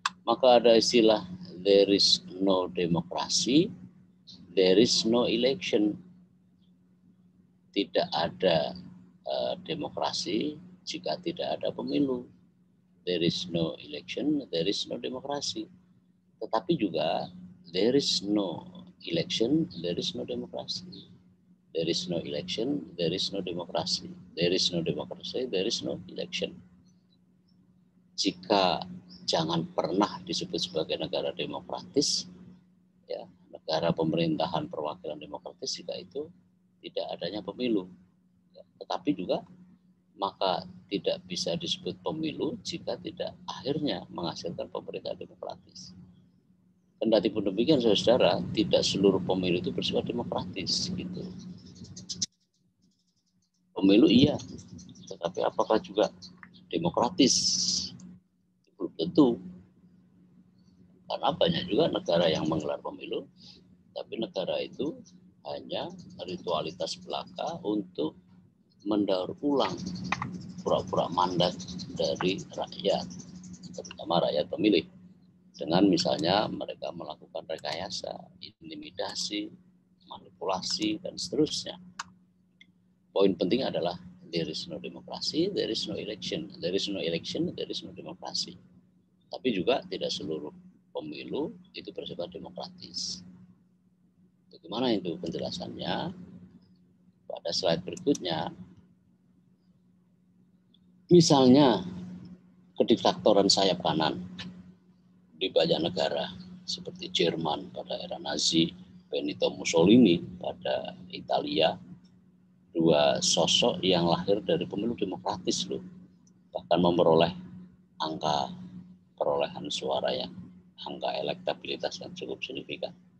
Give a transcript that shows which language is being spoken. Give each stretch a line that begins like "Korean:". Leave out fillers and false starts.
English: Maka ada istilah there is no democracy, there is no election.
Indonesian: Tidak ada demokrasi jika tidak ada pemilu.
English: There is no election, there is no democracy. Tetapi juga there is no election, there is no democracy. There is no election, there is no democracy. There is no democracy, there is no election.
Indonesian: Jika jangan pernah disebut sebagai negara demokratis, ya, negara pemerintahan perwakilan demokratis, jika itu tidak adanya pemilu. Ya, tetapi juga, maka tidak bisa disebut pemilu jika tidak akhirnya menghasilkan pemerintahan demokratis. Kendatipun demikian, saudara, tidak seluruh pemilu itu bersifat demokratis, gitu. Pemilu iya, tetapi apakah juga demokratis? Belum tentu. Karena banyak juga negara yang menggelar pemilu, tapi negara itu hanya ritualitas belaka untuk mendaur ulang pura-pura mandat dari rakyat, terutama rakyat pemilih, dengan misalnya mereka melakukan rekayasa, intimidasi, manipulasi, dan seterusnya.
English: Poin penting adalah there is no democracy, there is no election. There is no election, there is no democracy.
Indonesian: Tapi juga tidak seluruh pemilu itu bersifat demokratis. Bagaimana itu penjelasannya? Pada slide berikutnya, misalnya kediktatoran sayap kanan di banyak negara seperti Jerman pada era Nazi, Benito Mussolini pada Italia, dua sosok yang lahir dari pemilu demokratis loh, bahkan memperoleh angka perolehan suara yang angka elektabilitas yang cukup signifikan.